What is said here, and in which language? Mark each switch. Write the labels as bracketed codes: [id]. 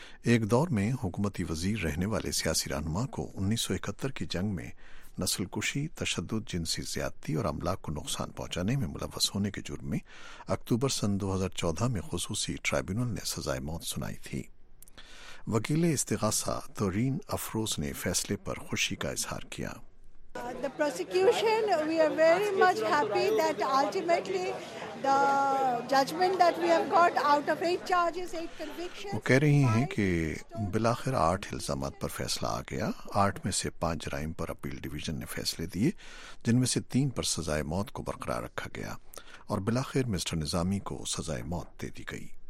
[ur] ایک دور میں حکومتی وزیر رہنے والے سیاسی رہنما کو 1971 کی جنگ میں نسل کشی، تشدد، جنسی زیادتی اور املاک کو نقصان پہنچانے میں ملوث ہونے کے جرم میں اکتوبر سن 2014 میں خصوصی ٹرائبیونل نے سزائے موت سنائی تھی۔ وکیل استغاثہ تورین افروز نے فیصلے پر خوشی کا اظہار کیا۔ [en] The prosecution, we are very much happy that ultimately the judgment that we have got out of 8 charges, 8 convictions. [ur] وہ کہہ رہی ہیں کہ بالآخر 8 الزامات پر فیصلہ آ گیا۔ 8 میں سے 5 جرائم پر اپیل ڈویژن نے فیصلے دیے، جن میں سے 3 پر سزائے موت کو برقرار رکھا گیا، اور بالآخر مسٹر نظامی کو سزائے موت دے دی گئی۔